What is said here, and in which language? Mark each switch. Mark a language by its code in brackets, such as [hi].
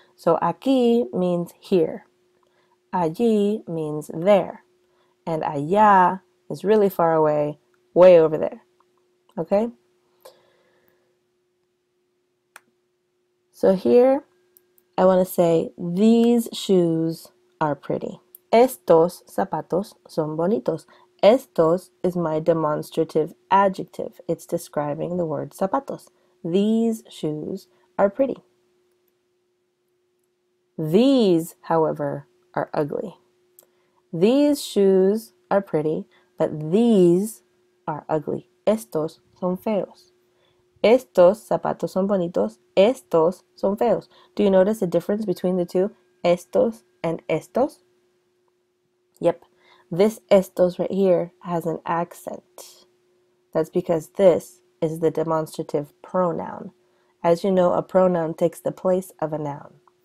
[en] So aquí means here. Allí means there. And allá is really far away, way over there. Okay? So here, I want to say, these shoes are pretty. [es] Estos zapatos son bonitos. [en] Estos is my demonstrative adjective. It's describing the word zapatos. These shoes are pretty. These, however, are ugly. These shoes are pretty, but these are ugly. [es] Estos son feos. Estos zapatos son bonitos. Estos son feos. [en] Do you notice the difference between the two? Estos and estos? Yep. This estos right here has an accent. That's because this is the demonstrative pronoun. As you know, a pronoun takes the place of a noun.